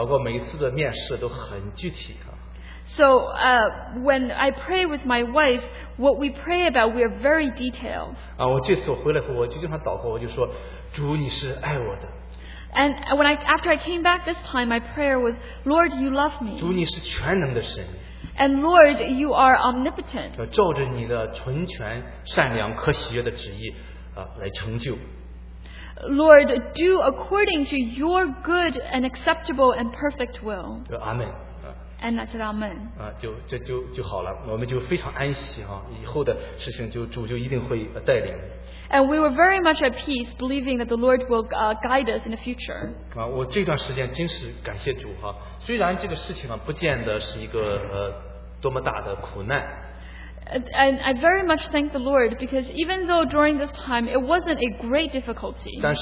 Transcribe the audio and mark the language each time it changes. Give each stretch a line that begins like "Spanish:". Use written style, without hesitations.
Chinese: 所以我以前祷告呢，和我姊妹祷告，每一次的面试都很具体啊。
English: So when I pray with my wife, what we pray about, we are very detailed.
Chinese: 我这次我回来后，我就经常祷告，我就说，主你是爱我的。
English: And when after I came back this time, my prayer was, Lord, you love me.
Chinese: 主你是全能的神。
English: And Lord, you are omnipotent.
Chinese: 照着你的纯全、善良、可喜悦的旨意，来成就。
English: Lord, do according to your good and acceptable and perfect will.
Chinese: 阿门。
English: And I said, Amen.
Chinese: 就好了，我们就非常安息哈，以后的事情就主就一定会带领。
English: And we were very much at peace, believing that the Lord will guide us in the future.
Chinese: 我这段时间真是感谢主哈，虽然这个事情啊，不见得是一个多么大的苦难。
English: And I very much thank the Lord because even though during this time it wasn't a great difficulty.